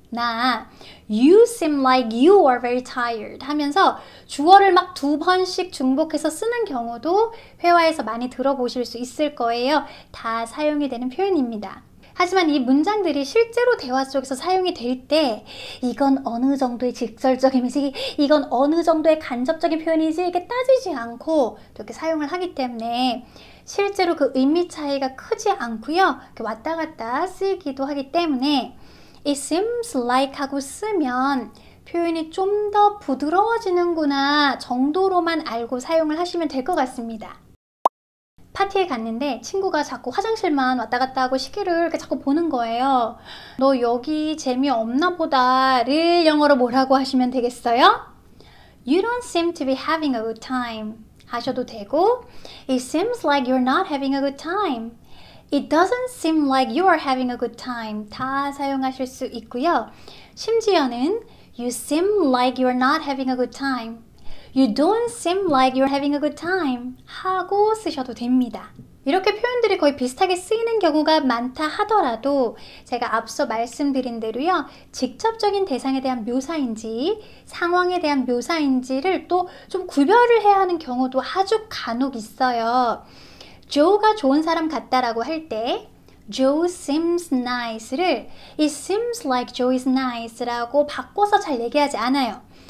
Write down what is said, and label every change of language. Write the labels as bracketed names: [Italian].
[Korean] 나, [English] You seem like you are very tired. [Korean] 하면서 주어를 막두 번씩 중복해서 쓰는 경우도 회화에서 많이 들어보실 수 있을 거예요. 다 사용이 되는 표현입니다. 하지만 이 문장들이 실제로 대화 속에서 사용이 될 때, 이건 어느 정도의 직설적이지, 이건 어느 정도의 간접적인 표현이지, 이렇게 따지지 않고 이렇게 사용을 하기 때문에 실제로 그 의미 차이가 크지 않고요. 이렇게 왔다 갔다 쓰이기도 하기 때문에 [English] It seems like [Korean] 하고 쓰면 표현이 좀더 부드러워지는구나 정도로만 알고 사용을 하시면 될것 같습니다. 파티에 갔는데 친구가 자꾸 화장실만 왔다 갔다 하고 시계를 이렇게 자꾸 보는 거예요. 너 여기 재미없나 보다를 영어로 뭐라고 하시면 되겠어요? [English] You don't seem to be having a good time [Korean] 하셔도 되고, [English] It seems like you're not having a good time. It doesn't seem like you are having a good time [Korean] 다 사용하실 수 있고요. 심지어는 [English] You seem like you're not having a good time. You don't seem like you're having a good time [Korean] 하고 쓰셔도 됩니다. 이렇게 표현들이 거의 비슷하게 쓰이는 경우가 많다 하더라도 제가 앞서 말씀드린 대로요, 직접적인 대상에 대한 묘사인지 상황에 대한 묘사인지를 또좀 구별을 해야 하는 경우도 아주 간혹 있어요. Joe가 좋은 사람 같다라고 할 때, [English] Joe seems nice [Korean] 를 [English] It seems like Joe is nice [Korean] 라고 바꿔서 잘 얘기하지 않아요.